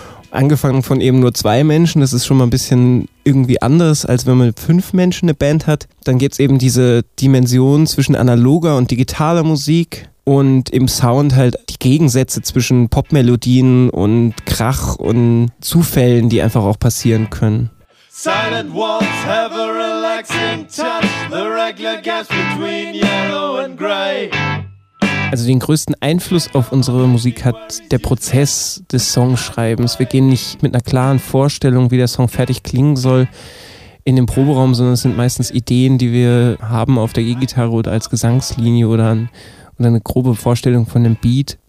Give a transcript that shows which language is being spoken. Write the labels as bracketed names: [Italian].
[German] Angefangen von eben nur zwei Menschen, das ist schon mal ein bisschen irgendwie anders, als wenn man fünf Menschen eine Band hat. Dann gibt es eben diese Dimension zwischen analoger und digitaler Musik und im Sound halt die Gegensätze zwischen Popmelodien und Krach und Zufällen, die einfach auch passieren können. [English] Silent walls have a relaxing touch, the regular gaps between yellow and gray. [German] Also den größten Einfluss auf unsere Musik hat der Prozess des Songschreibens. Wir gehen nicht mit einer klaren Vorstellung, wie der Song fertig klingen soll, in den Proberaum, sondern es sind meistens Ideen, die wir haben auf der E-Gitarre oder als Gesangslinie oder eine grobe Vorstellung von dem Beat.